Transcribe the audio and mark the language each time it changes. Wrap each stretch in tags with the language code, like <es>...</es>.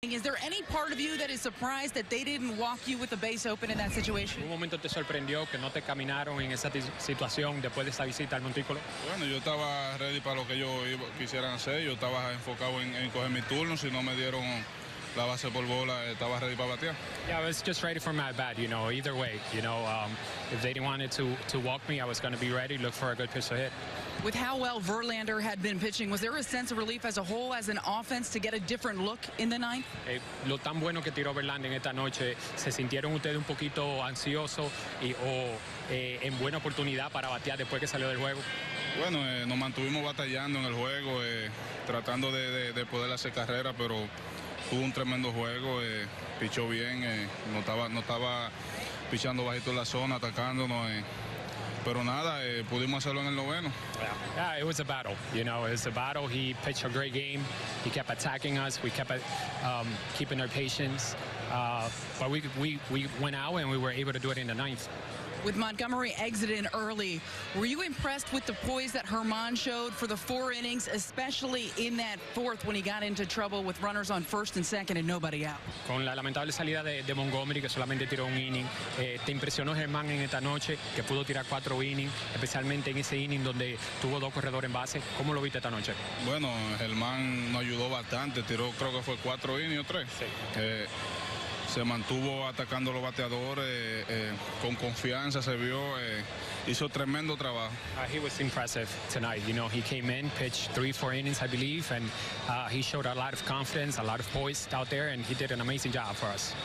<en>Is there any part of you that is surprised that they didn't walk you with the base open in that situation?</en> <es>¿Un momento te sorprendió que no te caminaron en esa situación después de esa visita al montículo? Bueno, yo estaba ready para lo que ellos quisieran hacer. Yo estaba enfocado en coger mi turno. Si no me dieron la base por bola, estaba ready para batear.</es> <en>Yeah, I was just ready for my bat, you know, either way. You know, if they didn't want to walk me, I was going to be ready, look for a good pitch to hit. With how well Verlander had been pitching, was there a sense of relief as a whole, as an offense, to get a different look in the ninth?</en> <es>Lo tan bueno que tiró Verlander en esta noche, ¿se sintieron ustedes un poquito ansioso en buena oportunidad para batear después que salió del juego? Bueno, nos mantuvimos batallando en el juego, tratando de poder hacer carrera, pero tuvo un tremendo juego, pichó bien, no estaba pichando bajito en la zona, atacándonos. Pero nada, pudimos hacerlo en el noveno.</es> <en>Yeah, it was a battle. You know, it was a battle. He pitched a great game. He kept attacking us. We kept keeping our patience. But we went out and we were able to do it in the ninth. With Montgomery exiting early, were you impressed with the poise that Herman showed for the four innings, especially in that fourth when he got into trouble with runners on first and second and nobody out?</en> <es>Con la lamentable salida de Montgomery, que solamente tiró un inning, ¿te impresionó Herman en esta noche, que pudo tirar cuatro innings, especialmente en ese inning donde tuvo dos corredores en base? ¿Cómo lo viste esta noche? Bueno, Herman nos ayudó bastante. Tiró, creo que fue cuatro innings o tres. Sí. Se mantuvo atacando los bateadores, con confianza se vio, hizo tremendo trabajo.</es> <en>He was impressive tonight. You know, he came in, pitched 3-4 innings, I believe, and he showed a lot of confidence, a lot of poise out there, and he did an amazing job for us.</en>